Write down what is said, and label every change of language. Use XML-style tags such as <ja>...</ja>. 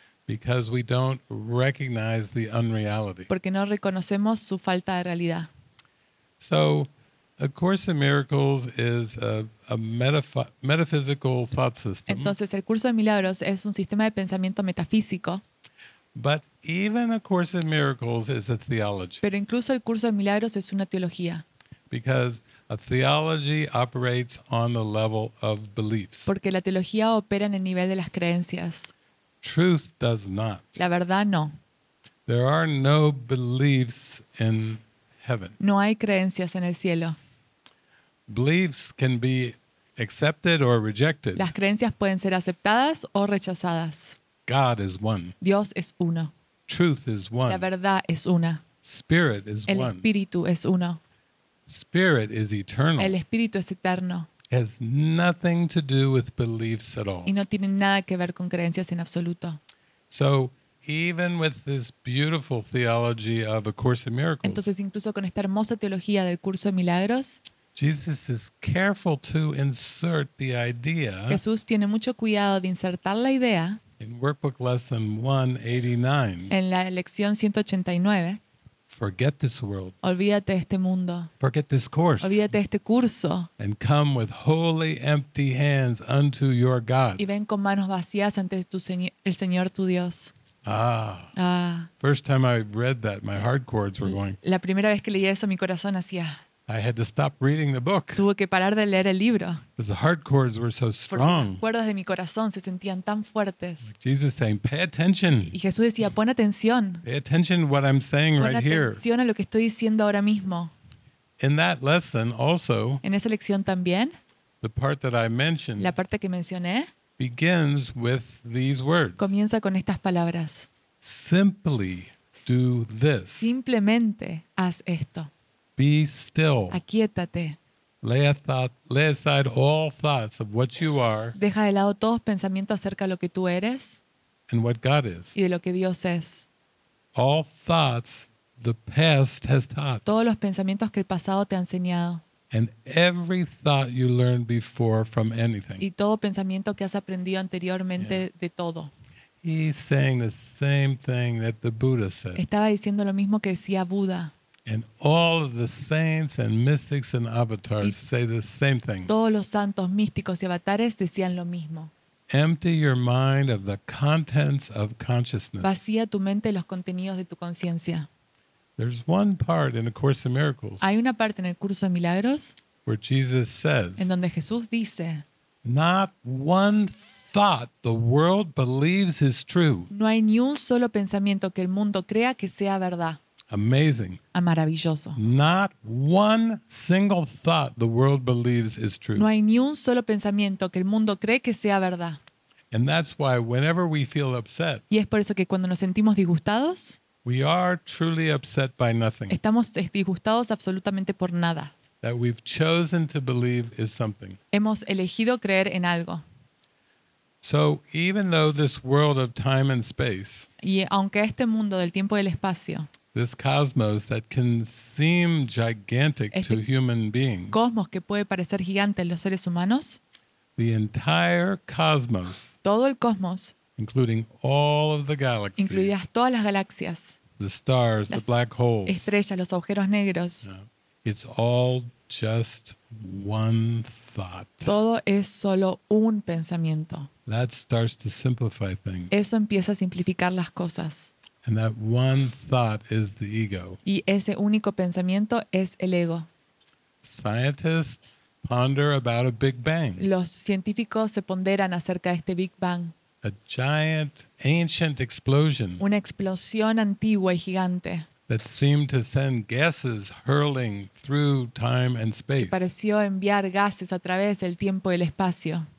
<en>Because we don't recognize the unreality.</en> <es>Porque no reconocemos su falta de realidad.</es> <en>So, A Course in Miracles is a metaphysical thought system.</en> <es>Entonces, el curso de milagros es un sistema de pensamiento metafísico.</es> <en>But even A Course in Miracles is a theology.</en> <es>Pero incluso el curso de milagros es una teología.</es> <en>Because A theology operates on the level of beliefs.</en> <es>Porque la teología opera en el nivel de las creencias.</es> <en>Truth does not.</en> <es>La verdad no.</es> <en>There are no beliefs in heaven.</en> <es>No hay creencias en el cielo.</es> <en>Beliefs can be accepted or rejected.</en> <es>Las creencias pueden ser aceptadas o rechazadas.</es> <en>God is one.</en> <es>Dios es uno.</es> <en>Truth is one.</en> <es>La verdad es una.</es> <en>Spirit is one.</en> <es>El espíritu es uno.</es> <en>Spirit is eternal.</en> <es>El espíritu es eterno.</es> <en>It has nothing to do with beliefs at all.</en> <es>Y no tiene nada que ver con creencias en absoluto.</es> <en>So, even with this beautiful theology of A Course in Miracles.</en> <es>Entonces, incluso con esta hermosa teología del curso de milagros.</es> <en>Jesus is careful to insert the idea.</en> <es>Jesús tiene mucho cuidado de insertar la idea.</es> <en>In workbook lesson 189.</en> <es>En la lección 189.</es> <en>Forget this world.</en> <es>Olvídate de este mundo.</es> <en>Forget this course.</en> <es>Olvídate de este curso.</es> <en>And come with wholly empty hands unto your God.</en> <es>Y ven con manos vacías ante tu el Señor tu Dios. Ah.</es> <en>First time I read that, my heart chords were going.</en> <es>La primera vez que leí eso, mi corazón hacía.</es> <en>I had to stop reading the book.</en> <es>Tuve que parar de leer el libro.</es> <en>Because the heart chords were so strong.</en> <es>Porque las cuerdas de mi corazón se sentían tan fuertes.</es> <en>Like Jesus saying, "Pay attention."</en> <es>Y Jesús decía, "Pon atención."</es> <en>Pay attention to what I'm saying right here.</en> <es>Pon atención a lo que estoy diciendo ahora mismo.</es> <en>In that lesson, also.</en> <es>En esa lección también.</es> <en>The part that I mentioned.</en> <es>La parte que mencioné.</es> <en>Begins with these words.</en> <es>Comienza con estas palabras.</es> <en>Simply do this.</en> <es>Simplemente haz esto.</es> <en>Be still.</en> <es>Aquiétate.</es> <en>Lay aside all thoughts of what you are.</en> <es>Deja de lado todos pensamientos acerca de lo que tú eres.</es> <en>And what God is.</en> <es>Y de lo que Dios es.</es> <en>All thoughts the past has taught.</en> <es>Todos los pensamientos que el pasado te ha enseñado.</es> <en>And every thought you learned before from anything.</en> <es>Y todo pensamiento que has aprendido anteriormente yeah. De todo.</es> <en>He's saying the same thing that the Buddha said.</en> <es>Estaba diciendo lo mismo que decía Buda.</es> <en>And all of the saints and mystics and avatars say the same thing.</en> <es>Todos los santos, místicos y avatares decían lo mismo.</es> <en>Empty your mind of the contents of consciousness.</en> <es>Vacía tu mente de los contenidos de tu conciencia.</es> <en>There's one part in A Course in Miracles.</en> <es>Hay una parte en el curso de milagros.</es> <en>Where Jesus says.</en> <es>En donde Jesús dice.</es> <en>Not one thought the world believes is true.</en> <es>No hay ni un solo pensamiento que el mundo crea que sea verdad.</es> <en>Amazing.</en> <es>A maravilloso.</es> <en>Not one single thought the world believes is true.</en> <es>No hay ni un solo pensamiento que el mundo cree que sea verdad.</es> <en>And that's why whenever we feel upset.</en> <es>Y es por eso que cuando nos sentimos disgustados.</es> <en>We are truly upset by nothing.</en> <es>Estamos disgustados absolutamente por nada.</es> <en>That we've chosen to believe is something.</en> <es>Hemos elegido creer en algo.</es> <en>So even though this world of time and space.</en> <es>Y aunque este mundo del tiempo y del espacio.</es> <en>This cosmos that can seem gigantic to human beings.</en> <es>Cosmos que puede parecer gigante en los seres humanos.</es> <en>The entire cosmos.</en> <es>Todo el cosmos.</es> <en>Including all of the galaxies.</en> <es>Incluidas todas las galaxias.</es> <en>The stars, the black holes.</en> <es>Estrellas, los agujeros negros.</es> <en>Yeah. It's all just one thought.</en> <es>Todo es solo un pensamiento.</es> <en>That starts to simplify things.</en> <es>Eso empieza a simplificar las cosas.</es> <en>And that one thought is the ego.</en> <es>Y ese único pensamiento es el ego.</es> <en>Scientists ponder about a Big Bang.</en> <es>Los científicos se ponderan acerca de este Big Bang.</es> <en>A giant ancient explosion.</en> <es>Una explosión antigua y gigante.</es> <en>That seemed to send gases hurling through time and space.</en> <es>Que pareció enviar gases a través del tiempo y el espacio.</es>